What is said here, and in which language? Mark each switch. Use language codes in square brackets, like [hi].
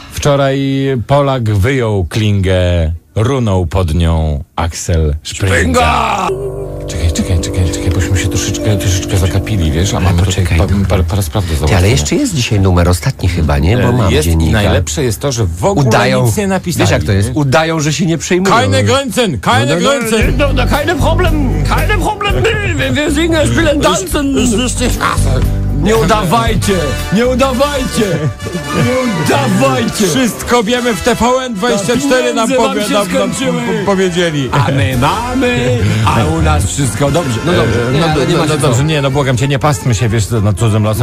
[pl] Wczoraj Polak wyjął klingę, runął pod nią Axel Springa. Czekaj, bośmy się troszeczkę zakapili, wiesz, a mamy tutaj po raz prawdy założenie. Ale jeszcze jest dzisiaj numer ostatni chyba, nie? Bo mam jest dziennika. I najlepsze jest to, że w ogóle udają, nic nie napisali. Wiesz jak to jest? Udają, że się nie przejmują. [de] Keine Grenzen, keine Grenzen. Keine Problem, wir singen, spielen, tanzen. [pl] Nie udawajcie, nie udawajcie, nie udawajcie. Wszystko wiemy w TVN24 nam powiedzieli. A my mamy, a u nas wszystko dobrze. No dobrze, dobrze, nie, no błagam cię, nie pastmy się, wiesz, nad cudzym losem.